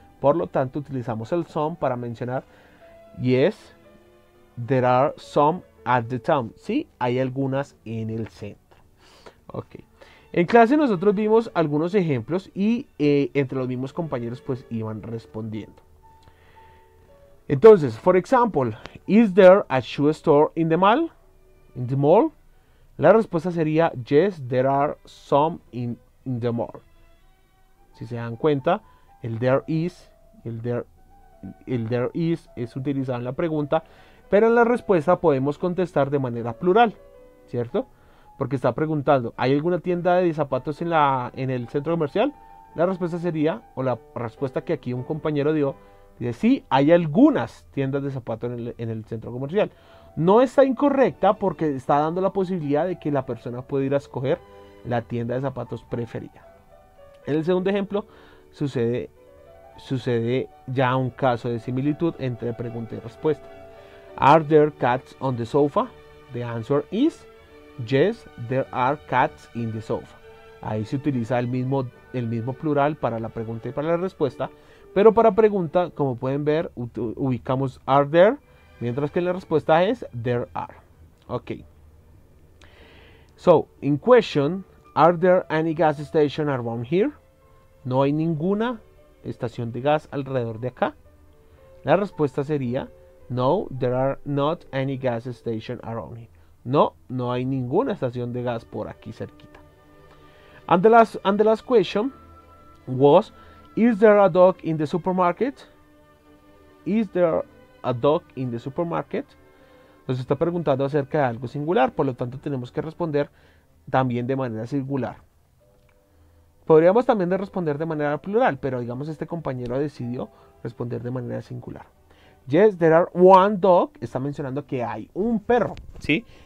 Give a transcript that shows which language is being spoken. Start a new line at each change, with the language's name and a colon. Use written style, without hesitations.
Spanish: Por lo tanto, utilizamos el sum para mencionar
English: yes, there are some at the town.
Spanish: Sí, hay algunas en el centro. Ok. En clase nosotros vimos algunos ejemplos y entre los mismos compañeros pues iban respondiendo.
English: Entonces, for example, is there a shoe store in the mall? In the mall?
Spanish: La respuesta sería
English: yes, there are some in the mall.
Spanish: Si se dan cuenta, el there is, el there is es utilizado en la pregunta, pero en la respuesta podemos contestar de manera plural, ¿cierto? Porque está preguntando, ¿hay alguna tienda de zapatos en el centro comercial? La respuesta sería, o la respuesta que aquí un compañero dio, dice, sí, hay algunas tiendas de zapatos en el centro comercial. No está incorrecta porque está dando la posibilidad de que la persona pueda ir a escoger la tienda de zapatos preferida. En el segundo ejemplo, sucede ya un caso de similitud entre pregunta y respuesta.
English: Are there cats on the sofa? The answer is yes, there are cats in the sofa.
Spanish: Ahí se utiliza el mismo plural para la pregunta y para la respuesta. Pero para pregunta, como pueden ver, ubicamos are there, mientras que la respuesta es there are. Ok.
English: So, in question, are there any gas station around here?
Spanish: No hay ninguna estación de gas alrededor de acá. La respuesta sería
English: no, there are not any gas station around here.
Spanish: No, no hay ninguna estación de gas por aquí cerquita.
English: And the last question was, is there a dog in the supermarket? Is there a dog in the supermarket?
Spanish: Nos está preguntando acerca de algo singular, por lo tanto tenemos que responder también de manera singular. Podríamos también responder de manera plural, pero digamos este compañero decidió responder de manera singular.
English: Yes, there are one dog.
Spanish: Está mencionando que hay un perro, ¿sí?